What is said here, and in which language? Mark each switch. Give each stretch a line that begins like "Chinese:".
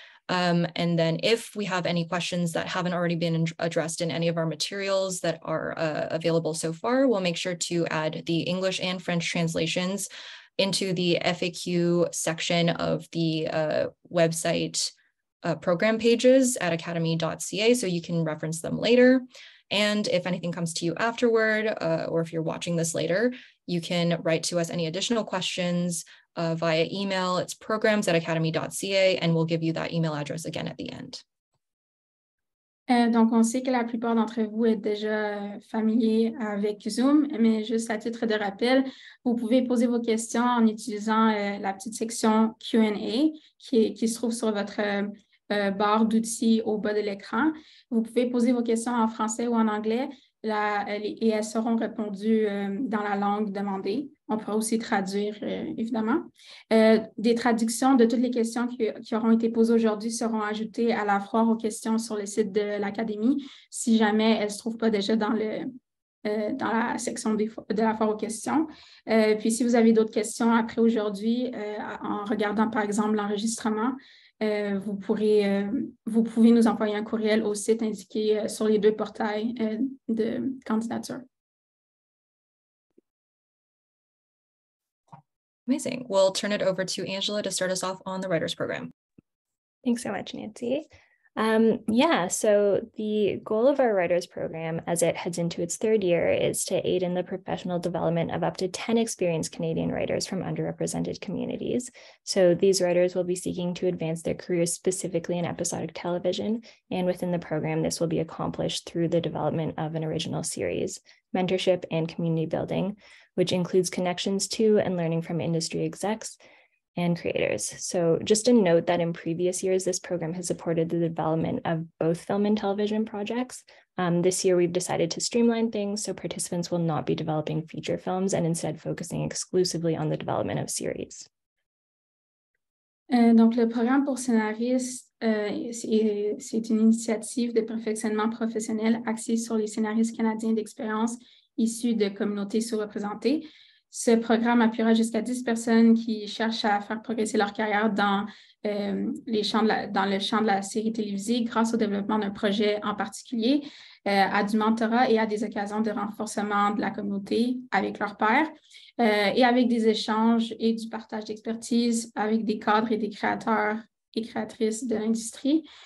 English: And then if we have any questions that haven't already been addressed in any of our materials that are available so far, we'll make sure to add the English and French translations into the FAQ section of the website program pages at academy.ca, so you can reference them later. And if anything comes to you afterward, or if you're watching this later, you can write to us any additional questions via email. It's programs@academy.ca, and we'll give you that email address again at the end.
French: Donc, on sait que la plupart d'entre vous êtes déjà familiers avec Zoom, mais juste à titre de rappel, vous pouvez poser vos questions en utilisant la petite section Q&A qui se trouve sur votre barre d'outils au bas de l'écran. Vous pouvez poser vos questions en français ou en anglais et elles seront répondues dans la langue demandée. On pourra aussi traduire, évidemment. Des traductions de toutes les questions qui auront été posées aujourd'hui seront ajoutées à la foire aux questions sur le site de l'Académie, si jamais elles ne se trouvent pas déjà dans la section de la foire aux questions. Puis si vous avez d'autres questions après aujourd'hui, en regardant par exemple l'enregistrement, vous pouvez nous envoyer un courriel au site indiqué sur les deux portails de candidature.
English: Amazing. We'll turn it over to Angela to start us off on the writers program. Thanks so much, Nancy. So the goal of our writers program as it heads into its third year is to aid in the professional development of up to 10 experienced Canadian writers from underrepresented communities. So these writers will be seeking to advance their careers specifically in episodic television. And within the program, this will be accomplished through the development of an original series, mentorship and community building, which includes connections to and learning from industry execs and creators. So just a note that in previous years, this program has supported the development of both film and television projects. This year, we've decided to streamline things so participants will not be developing feature films and instead focusing exclusively on the development of series.
French: Donc le programme pour scénaristes, c'est une initiative de perfectionnement professionnel axée sur les scénaristes canadiens d'expérience issus de communautés sous-représentées. Ce programme appuiera jusqu'à 10 personnes qui cherchent à faire progresser leur carrière dans le champ de la série télévisée grâce au développement d'un projet en particulier, à du mentorat et à des occasions de renforcement de la communauté avec leurs pairs et avec des échanges et du partage d'expertise avec des cadres et des créateurs et créatrices de l'industrie.